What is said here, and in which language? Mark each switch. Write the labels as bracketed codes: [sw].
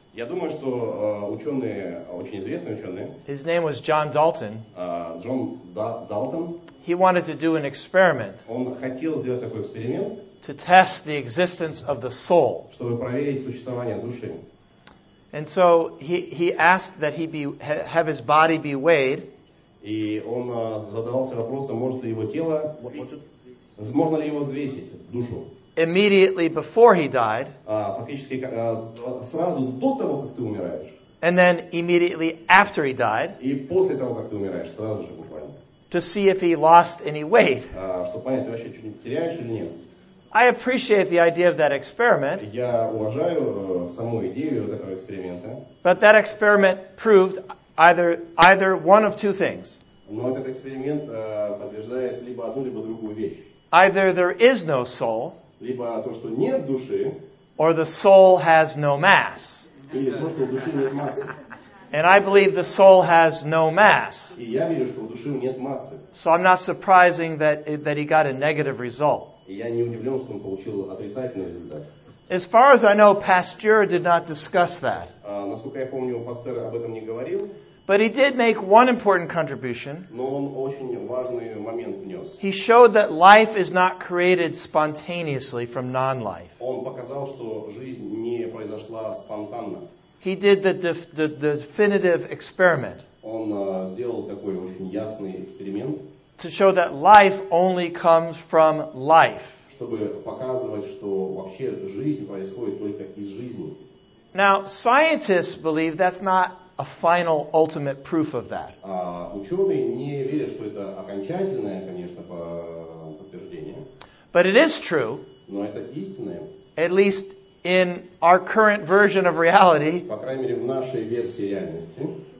[ru] Я думаю, что ученые, очень известные ученые. [en] His name was John Dalton. John Dalton. He wanted to do an experiment. [ru] Он хотел сделать такой эксперимент. [en] To test the existence of the soul. [ru] Чтобы проверить существование души. [en] And so he asked that he be have his body be weighed. [ru] И он задавался вопросом, может ли его тело, можно ли его взвесить душу? [en] Immediately before he died. [ru] Фактически сразу до того, как ты умираешь. [en] And then immediately after he died. [ru] И после того, как ты умираешь, сразу же буквально. [en] To see if he lost any weight. [ru] Чтобы понять, ты вообще что-нибудь теряешь или нет? [en] I appreciate the idea of that experiment. [ru] Я уважаю саму идею этого эксперимента. [en] But that experiment proved either one of two things. [ru] Но этот эксперимент подтверждает либо одну, либо другую вещь. [en] Either there is no soul. [ru] Либо то, что нет души. [en] Or the soul has no mass. [ru] Или то, что у души нет массы. [en] And I believe the soul has no mass. [ru] И я верю, что у души нет массы. [en] So I'm not surprising that he got a negative result. [ru] И я не удивлен, что он получил отрицательный результат. [en] As far as I know, Pasteur did not discuss that. [ru] Насколько я помню, Пастер об этом не говорил. [en] But he did make one important contribution. [ru] Но он очень важный момент внес. [en] He showed that life is not created spontaneously from non-life. [ru] Он показал, что жизнь не произошла спонтанно. [en] He did the definitive experiment. [ru] Он сделал такой очень ясный эксперимент. [en] To show that life only comes from life. [ru] Чтобы показывать, что вообще жизнь происходит только из жизни. [en] Now, scientists believe that's not a final, ultimate proof of that. [ru] Ученые не верят, что это окончательное, конечно, подтверждение. [en] But it is true. [ru] Но это истинное. [en] At least in our current version of reality. [ru] По крайней мере, в нашей версии реальности.